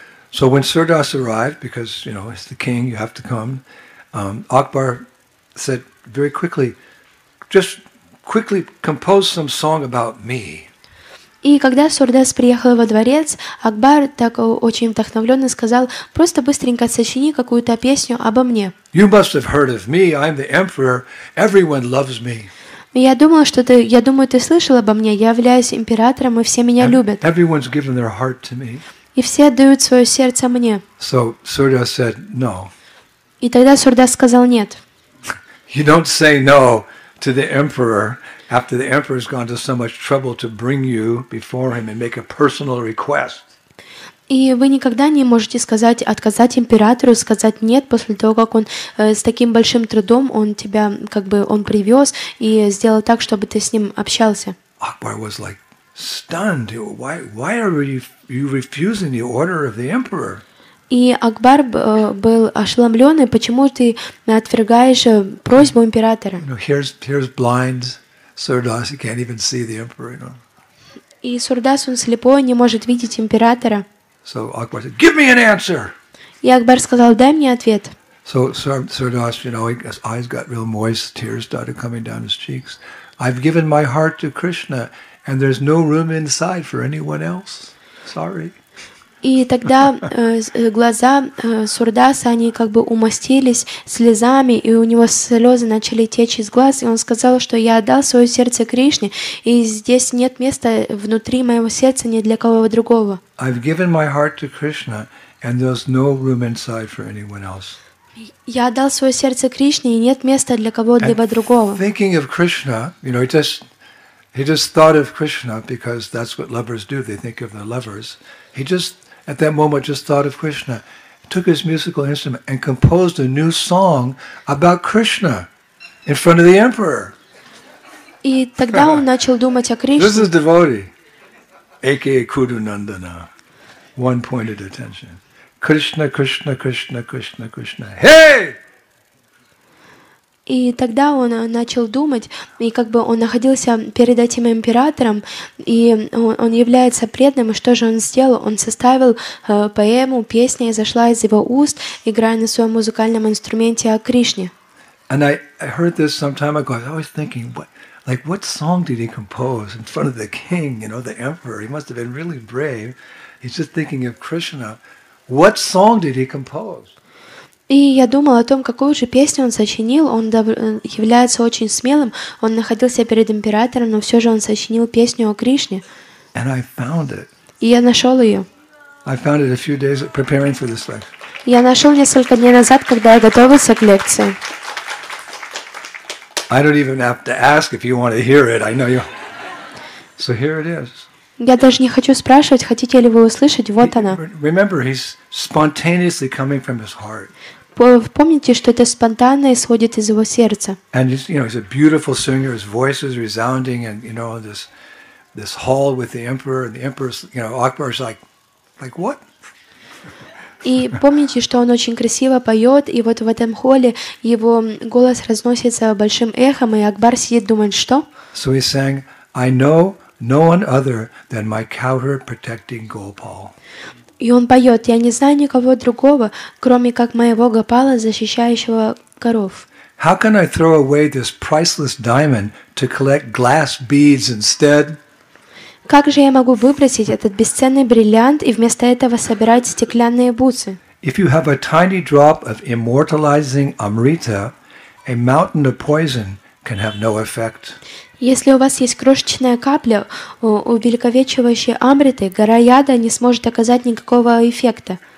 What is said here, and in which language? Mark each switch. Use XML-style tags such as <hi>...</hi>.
<en>So when Sirdas arrived, because, you know, he's the king, you have to come, Akbar said very quickly, just quickly compose some song about me.</en> <ru>И когда Сурдас приехал во дворец, Акбар так очень вдохновленно сказал, просто быстренько сочини какую-то песню обо мне.</ru> <en>You must have heard of me, I'm the emperor, everyone loves me.</en> <ru>Я думаю, ты слышал обо мне, я являюсь императором, и все меня любят.</ru> <en>Everyone's given their heart to me.</en> <ru>И все отдают свое сердце мне.</ru> <en>So Sirdas said no.</en> <ru>И тогда Сурдас сказал нет.</ru> <en>You don't say no to the emperor. After the emperor has gone to so much trouble to bring you before him and make a personal request.</en> <ru>И вы никогда не можете сказать, отказать императору, сказать нет после того, как он с таким большим трудом он тебя как бы он привез и сделал так, чтобы ты с ним общался.</ru> <en>Akbar was like stunned. Why are you refusing the order of the emperor?</en> <ru>И Акбар был ошеломлен, и почему ты отвергаешь просьбу императора?</ru> <en>You know, here's blind. Sirdas, he can't even see the emperor, you know.</en> <ru>И Сурдас, он слепой, не может видеть императора.</ru> <en>So Akbar said, "Give me an answer."</en> <ru>И Акбар сказал, "Дай мне ответ."</ru> <en>So Sirdas, you know, his eyes got real moist, tears started coming down his cheeks. I've given my heart to Krishna, and there's no room inside for anyone else. Sorry.</en> <ru>И тогда глаза Сурдаса, они как бы умастились слезами, и у него слезы начали течь из глаз, и он сказал, что я отдал свое сердце Кришне, и здесь нет места внутри моего сердца ни для кого другого.</ru> <en>I've given my heart to Krishna, and there's no room inside for anyone else.</en> <ru>Я отдал свое сердце Кришне, и нет места для кого-либо другого.</ru> <en>Thinking of Krishna, you know, he just thought of Krishna, because that's what lovers do, they think of their lovers. He just at that moment just thought of Krishna, took his musical instrument and composed a new song about Krishna in front of the emperor.</en> <ru>И тогда он начал думать о Кришне.</ru> <en>This is devotee, aka Kudu Nandana. One pointed attention. Krishna, Krishna, Krishna, Krishna, Krishna. Hey!</en> <ru>И тогда он начал думать, и как бы он находился перед этим императором, и он является преданным, и что же он сделал? Он составил поэму, песня, и зашла из его уст, играя на своем музыкальном инструменте о Кришне.</ru> <en>And I heard this some time ago. I was always thinking, what song did he compose in front of the king, you know, the emperor? He must have been really brave. He's just thinking of Krishna. What song did he compose?</en> <ru>И я думал о том, какую же песню он сочинил. Он является очень смелым. Он находился перед императором, но все же он сочинил песню о Кришне.</ru> <en>And I found it.</en> <ru>И я нашел ее.</ru> <en>I found it a few days preparing for this lecture.</en> <ru>Я нашел несколько дней назад, когда я готовился к лекции.</ru> <en>I don't even have to ask if you want to hear it. I know you. So here it is.</en> <ru>Я даже не хочу спрашивать, хотите ли вы услышать. Вот она.</ru> <en>Remember, he's spontaneously coming from his heart.</en> <ru>Помните, что это спонтанно исходит из его сердца.</ru> <en>And he's, you know, he's a beautiful singer. His voice is resounding, and you know, this hall with the emperor, and the emperor's, you know, Akbar's like, what?</en> <ru>И помните, что он очень красиво поет, и вот в этом холле его голос разносится большим эхом, и Акбар сидит, думает, что?</ru> <en>So he sang, I know no one other than my cowherd protecting Gopal.</en> <ru>И он поет, я не знаю никого другого, кроме как моего Гопала, защищающего коров.</ru> <en>How can I throw away this priceless diamond to collect glass beads instead?</en> <ru>Как же я могу выбросить этот бесценный бриллиант и вместо этого собирать стеклянные бусы?</ru> <en>If you have a tiny drop of immortalizing amrita, a mountain of poison can have no effect.</en> <ru>Если у вас есть крошечная капля увековечивающей амриты, гора яда не сможет оказать никакого эффекта.</ru>